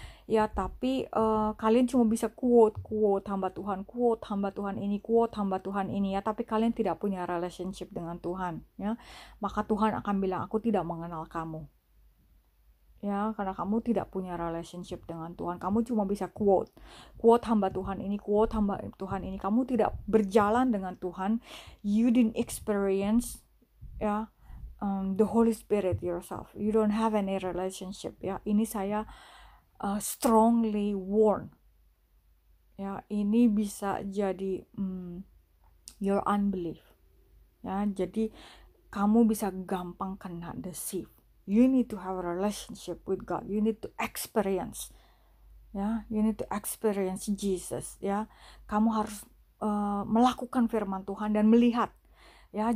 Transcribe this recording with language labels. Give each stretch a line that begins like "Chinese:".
Indonesian: Ya, tapi kalian cuma bisa quote hamba Tuhan ini, quote hamba Tuhan ini, ya, tapi kalian tidak punya relationship dengan Tuhan, ya. Maka Tuhan akan bilang, aku tidak mengenal kamu. Ya, karena kamu tidak punya relationship dengan Tuhan. Kamu cuma bisa quote, quote hamba Tuhan ini, quote hamba Tuhan ini. Kamu tidak berjalan dengan Tuhan.
English: You didn't experience, ya, the Holy Spirit yourself. You don't have any relationship, ya.
Indonesian: Ini saya
English: strongly warn, ya,
Indonesian: ini bisa jadi
English: your unbelief, ya.
Indonesian: Jadi kamu bisa gampang kena deceive.
English: You need to have a relationship with God. You need to experience, ya. You need to experience Jesus, ya.
Indonesian: Kamu harus melakukan firman Tuhan dan melihat, ya.